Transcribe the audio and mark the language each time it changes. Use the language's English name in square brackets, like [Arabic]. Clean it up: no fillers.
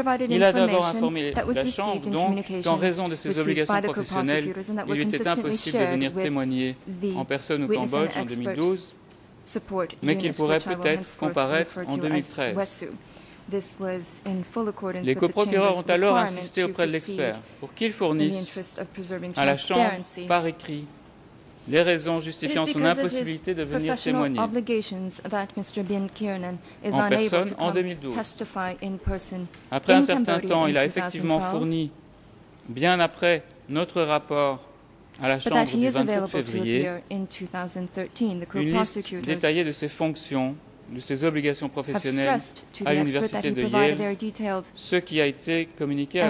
[French] Il a d'abord informé la Chambre donc qu'en raison de ses obligations professionnelles, il lui était impossible de venir témoigner en personne au Cambodge en 2012, mais qu'il pourrait peut-être comparaître en 2013. [English] This was in full accordance with the chamber's requirements. [French] Les coprocureurs ont alors insisté auprès de l'expert pour qu'il fournisse à la chambre par écrit les raisons justifiant son impossibilité de venir témoigner en 2012. Après un certain temps, il a effectivement fourni, bien après notre rapport à la chambre du 27 février, une liste détaillée de ses fonctions, de ses obligations professionnelles à l'Université de Yale, ce qui a été communiqué à